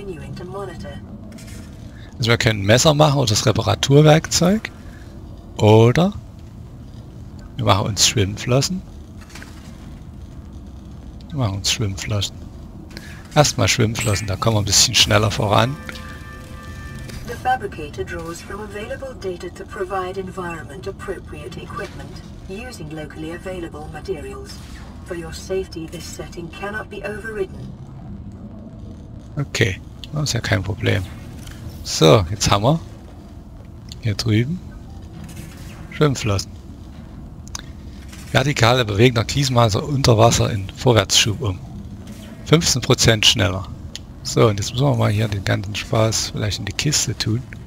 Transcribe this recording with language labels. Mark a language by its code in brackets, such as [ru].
[de] Also wir können ein Messer machen oder das Reparaturwerkzeug. Oder wir machen uns Schwimmflossen. Wir machen uns Schwimmflossen. Erstmal Schwimmflossen, da kommen wir ein bisschen schneller voran. [en] The fabricator draws from available data to provide environment appropriate equipment using locally available materials. For your safety, this setting cannot be overridden. [de] Okay, das ist ja kein Problem. So, jetzt haben wir hier drüben Schwimmflossen. Vertikale bewegender Kiesmaser unter Wasser in Vorwärtsschub um. 15% schneller. So, und jetzt müssen wir mal hier den ganzen Spaß vielleicht in die Kiste tun.